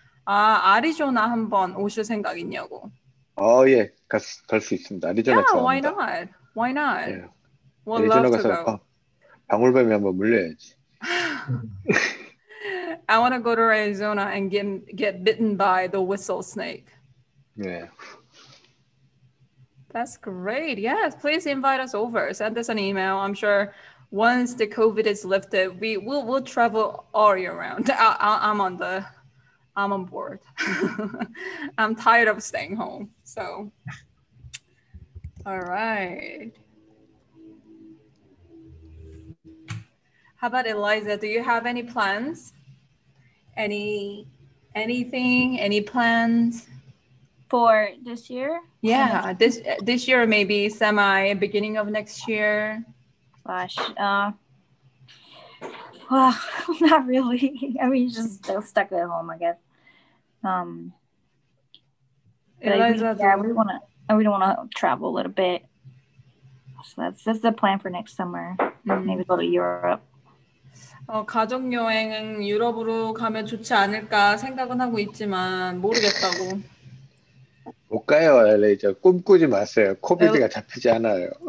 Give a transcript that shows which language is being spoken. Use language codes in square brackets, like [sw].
[ko] 아, 아리조나 한번 오실 생각 있냐고. 아, 예. 갈 수 있습니다. 아리조나 좋아합니다. [en] Yeah, why not? Why not? Yeah. We'll love to go. [ko] 아리조나 가서 방울뱀이 한번 물려야지. [en] I want to go to Arizona and get bitten by the whistle snake. Yeah. That's great. Yes, please invite us over. Send us an email. I'm sure once the COVID is lifted, we'll travel all year round. I'm on board. I'm tired of staying home. So, all right. How about Eliza? Do you have any plans? Any plans for this year? Yeah, this year maybe semi beginning of next year. Gosh, not really. I mean, just stuck at home, I guess. We don't want to travel a little bit. So that's the plan for next summer. Mm. Maybe go to Europe. [ko] 가족 여행은 유럽으로 가면 좋지 않을까 생각은 하고 있지만 모르겠다고. 못 가요, 엘라이자. 꿈꾸지 마세요. 코비드가 잡히지 않아요.